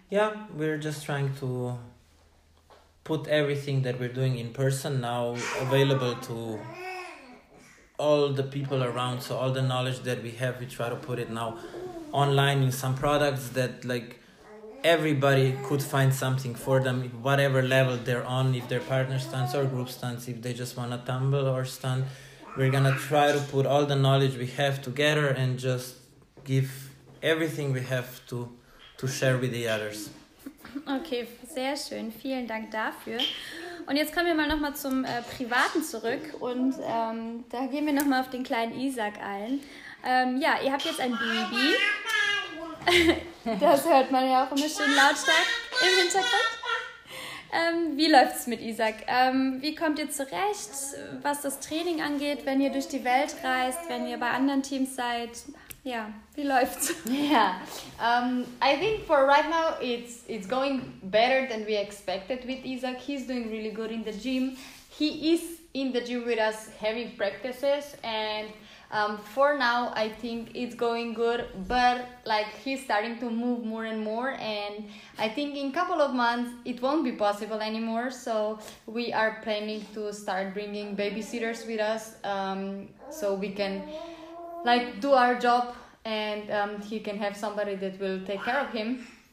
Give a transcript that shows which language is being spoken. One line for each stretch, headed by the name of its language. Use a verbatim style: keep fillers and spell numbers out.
English: Yeah, we're just trying to put everything that we're doing in person now available to all the people around, so all the knowledge that we have, we try to put it now online in some products that like everybody could find something for them, whatever level they're on, if they're partner stunts or group stunts, if they just want to tumble or stunt. We're gonna try to put all the knowledge we have together and just give everything we have to to share with the others.
German: Okay, sehr schön, vielen Dank dafür. Und jetzt kommen wir mal nochmal zum äh, Privaten zurück und ähm, da gehen wir nochmal auf den kleinen Isaac ein. Ähm, ja, ihr habt jetzt ein Baby. Das hört man ja auch immer schön lautstark im Hintergrund. Ähm, wie läuft's mit Isaac? Ähm, wie kommt ihr zurecht, was das Training angeht, wenn ihr durch die Welt reist, wenn ihr bei anderen Teams seid? Ja, wie läuft's?
English: Yeah, um, I think for right now it's it's going better than we expected with Isaac. He's doing really good in the gym. He is in the gym with us having practices, and Um, for now, I think it's going good, but like he's starting to move more and more, and I think in a couple of months it won't be possible anymore, so we are planning to start bringing babysitters with us um, so we can like do our job and um, he can have somebody that will take care of him.